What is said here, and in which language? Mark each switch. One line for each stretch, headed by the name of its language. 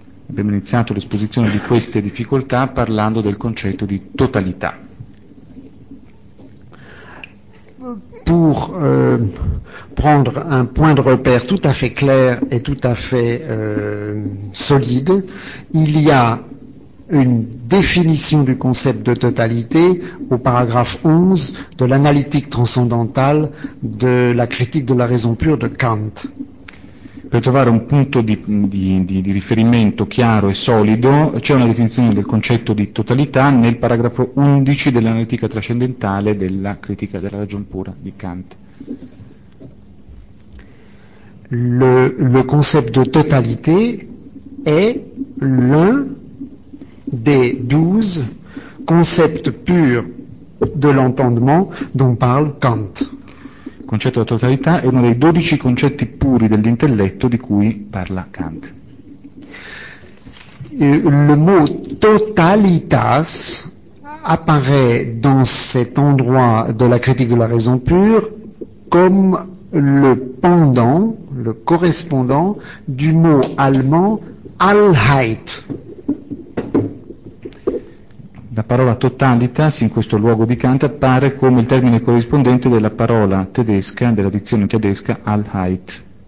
Italian: Abbiamo iniziato l'esposizione di queste difficoltà parlando del concetto di totalità.
French: Pour prendre un point de repère tout à fait clair et tout à fait solide, il y a une définition du concept de totalité au paragraphe 11 de l'analytique transcendantale de la critique de la raison pure de Kant.
Italian: Per trovare un punto di riferimento chiaro e solido, c'è una definizione del concetto di totalità nel paragrafo 11 dell'analitica trascendentale della critica della ragion pura di Kant.
French: Le concept de totalité est l'un des 12 concepts purs de l'entendement dont parle Kant.
Italian: Il concetto di totalità è uno dei 12 concetti puri dell'intelletto di cui parla Kant.
French: Le mot totalitas apparaît dans cet endroit de la critique de la raison pure comme le pendant, le correspondant du mot allemand Allheit.
Italian: La parola totalitas in questo luogo di Kant appare come il termine corrispondente della parola tedesca, della dizione tedesca Allheit.